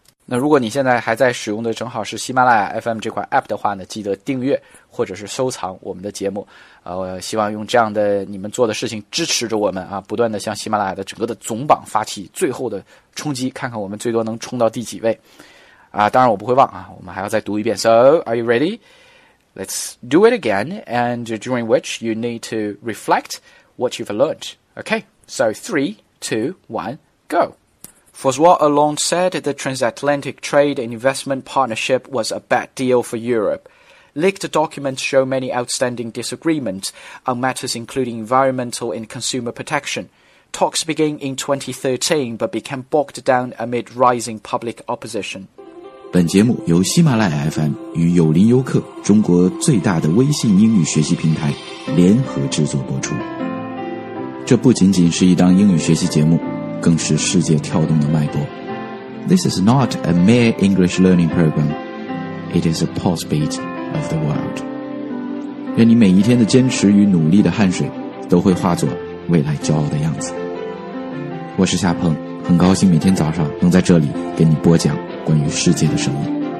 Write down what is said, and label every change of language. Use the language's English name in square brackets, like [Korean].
[Chinese] 那如果你现在还在使用的正好是喜马拉雅 FM 这款 APP 的话呢，记得订阅或者是收藏我们的节目。希望用这样的你们做的事情支持着我们啊，不断的向喜马拉雅的整个的总榜发起最后的冲击，看看我们最多能冲到第几位。啊，当然我不会忘啊，我们还要再读一遍。 [English] So, are you ready? Let's do it again, and during which you need to reflect what you've learned. Okay, so 3, 2, 1, go. François Hollande said the transatlantic trade and investment partnership was a bad deal for Europe. Leaked documents show many outstanding disagreements on matters including environmental and consumer protection. Talks began in 2013, but became bogged down amid rising public opposition. [Chinese] 本节目由喜马拉雅 FM 与有林优客中国最大的微信英语学习平台联合制作播出。这不仅仅是一档英语学习节目，更是世界跳动的脉搏。 [English] This is not a mere English learning program. It is a pulse beat of the world. [Chinese] 愿你每一天的坚持与努力的汗水都会化作未来骄傲的样子。我是夏鹏，很高兴每天早上能在这里给你播讲关于世界的声音。